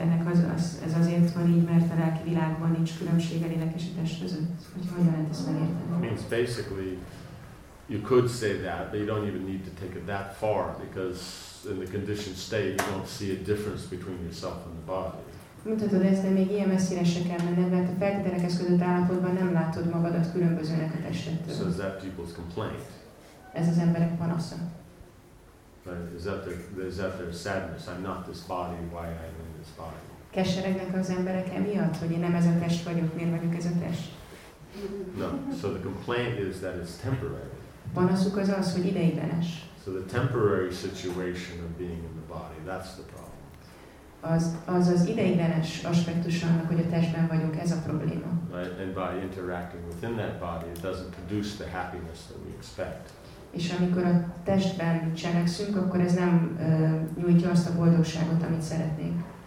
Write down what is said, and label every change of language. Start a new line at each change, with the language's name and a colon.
Hungarian: Ennek ez azért van így, mert a lelki világban nincs különbség a lélek és a test között. Hogy hogyan lehet ezt megérteni?
English: You could say that, but you don't even need to take it that far, because in the conditioned state, you don't see a difference between yourself and the body.
Hungarian: Mutatod ezt, de még ilyen messzire se kell menned, mert a feltételekhez között állapotban nem látod magadat különbözőnek a testettől.
English: So is that people's complaint?
Hungarian: Ez az emberek panasza.
English: But is that their sadness? I'm not this body, why am I in this body?
Hungarian: Keseregnek az emberek emiatt, hogy én nem ez a test vagyok, miért vagyok ez a test?
English: No, so the complaint is that it's temporary.
Hungarian: Panaszuk az az, hogy ideiglenes.
English: So the temporary situation of being in the body, that's the problem.
Hungarian: Az ideiglenes aspektus annak, hogy a testben vagyok, ez a probléma.
English: And by interacting within that body, it doesn't produce the happiness that we expect.
Hungarian: És amikor a testben cselekszünk, akkor ez nem nyújtja azt a boldogságot, amit szeretnénk.